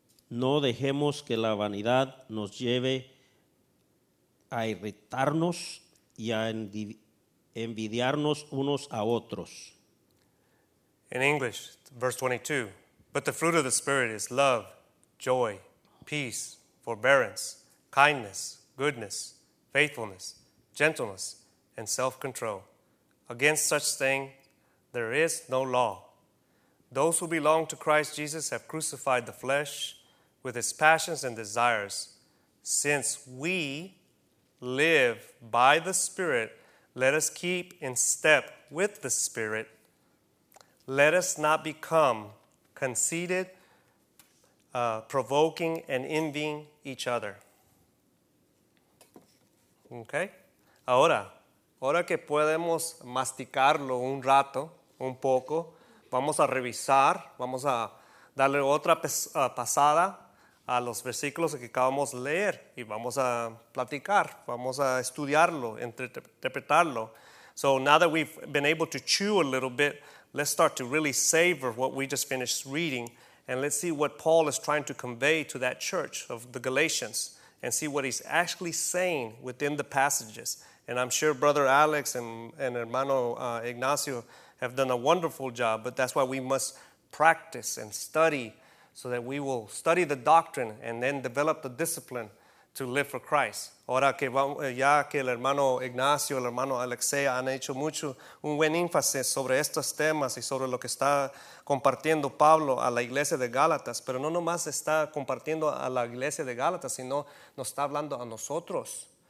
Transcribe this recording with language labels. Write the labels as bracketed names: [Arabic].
[Spanish] No dejemos que la vanidad nos lleve a irritarnos y a envidiarnos unos a otros. [English] In English, verse 22, but the fruit of the Spirit is love, joy, peace, forbearance, kindness, goodness, faithfulness, gentleness, and self-control. Against such things, there is no law. Those who belong to Christ Jesus have crucified the flesh with its passions and desires. Since we live by the Spirit, let us keep in step with the Spirit. Let us not become conceited, provoking, and envying each other. Okay? [Spanish] Ahora que podemos masticarlo un rato, un poco, vamos a revisar, vamos a darle otra pasada a los versículos que acabamos de leer y vamos a platicar, vamos a estudiarlo, interpretarlo. [English] So now that we've been able to chew a little bit, let's start to really savor what we just finished reading, and let's see what Paul is trying to convey to that church of the Galatians and see what he's actually saying within the passages. And I'm sure Brother Alex and Hermano Ignacio have done a wonderful job, but that's why we must practice and study so that we will study the doctrine and then develop the discipline to live for Christ. [Spanish] Ahora que ya que el hermano Ignacio, el hermano Alexei han hecho mucho un buen énfasis sobre estos temas y sobre lo que está compartiendo Pablo a la iglesia de Gálatas, pero no nomás está compartiendo a la iglesia de Gálatas, sino nos está hablando a nosotros.